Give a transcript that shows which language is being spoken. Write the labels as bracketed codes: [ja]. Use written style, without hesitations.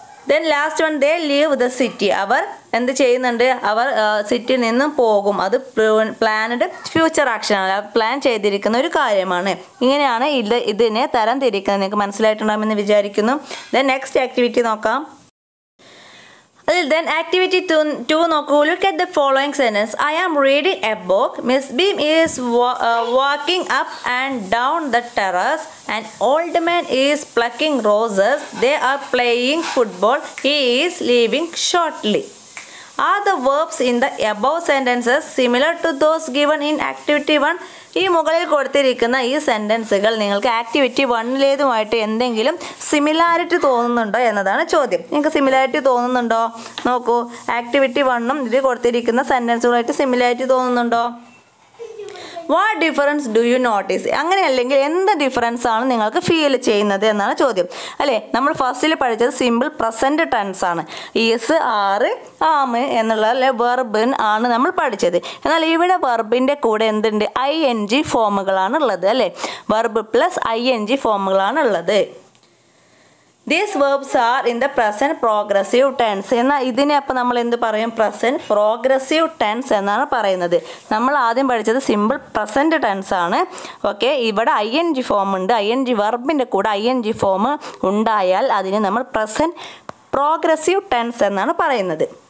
[en] Then last one, they leave the city. [ml] അവർ എന്ത് ചെയ്യുന്നുണ്ട്, അവർ സിറ്റിയിൽ നിന്നും പോകും. അത് പ്ലാൻഡ് ഫ്യൂച്ചർ ആക്ഷനാണ്, പ്ലാൻ ചെയ്തിരിക്കുന്ന ഒരു കാര്യമാണ്. ഇങ്ങനെയാണ് ഇതിനെ തരം തിരിക്കുന്നത്. നിങ്ങൾക്ക് മനസ്സിലായിട്ടുണ്ടാകുമെന്ന് വിചാരിക്കുന്നു. ദെൻ നെക്സ്റ്റ് ആക്ടിവിറ്റി നോക്കാം. [en] Then activity 2 nokku. Look at the following sentence. I am reading a book. Miss Beam is walking up and down the terrace. An old man is plucking roses. They are playing football. He is leaving shortly. Are the verbs in the above sentences similar to those given in activity 1? [ml] ഈ മുകളിൽ കൊടുത്തിരിക്കുന്ന ഈ സെൻറ്റൻസുകൾ നിങ്ങൾക്ക് activity വണ്ണിലേതുമായിട്ട് എന്തെങ്കിലും similarity തോന്നുന്നുണ്ടോ എന്നതാണ് ചോദ്യം. നിങ്ങൾക്ക് സിമിലാരിറ്റി തോന്നുന്നുണ്ടോ? നോക്കൂ, ആക്ടിവിറ്റി വണ്ണും ഇതിൽ കൊടുത്തിരിക്കുന്ന സെൻറ്റൻസുകളായിട്ട് സിമിലാരിറ്റി തോന്നുന്നുണ്ടോ? [en] What difference do you notice? [ml] അങ്ങനെ അല്ലെങ്കിൽ എന്ത് ഡിഫറൻസ് ആണ് നിങ്ങൾക്ക് ഫീൽ ചെയ്യുന്നത് എന്നാണ് ചോദ്യം. അല്ലേ, നമ്മൾ ഫസ്റ്റിൽ പഠിച്ചത് സിമ്പിൾ പ്രസൻറ്റ് ടെൻസ് ആണ്. ഈസ്, ആർ, ആം എന്നുള്ള അല്ലെങ്കിൽ വെർബിൻ ആണ് നമ്മൾ പഠിച്ചത്. എന്നാൽ ഇവിടെ വെർബിൻ്റെ കൂടെ എന്തുണ്ട്? ഐ എൻ ജി ഫോമുകളാണ് ഉള്ളത്. അല്ലേ, verb plus I N G ഫോമുകളാണ് ഉള്ളത്. [en] These verbs are in the present progressive tense. [ml] എന്നാൽ ഇതിനെ അപ്പോൾ നമ്മൾ എന്ത് പറയും? പ്രസൻറ്റ് പ്രോഗ്രസീവ് ടെൻസ് എന്നാണ് പറയുന്നത്. നമ്മൾ ആദ്യം പഠിച്ചത് സിമ്പിൾ പ്രസൻറ്റ് ടെൻസ് ആണ്. ഓക്കെ, ഇവിടെ ഐ എൻ ജി ഫോം ഉണ്ട്. ഐ എൻ ജി വെർബിൻ്റെ കൂടെ ഐ എൻ ജി ഫോം ഉണ്ടായാൽ അതിനെ നമ്മൾ പ്രസൻറ്റ് പ്രോഗ്രസീവ് ടെൻസ് എന്നാണ് പറയുന്നത്.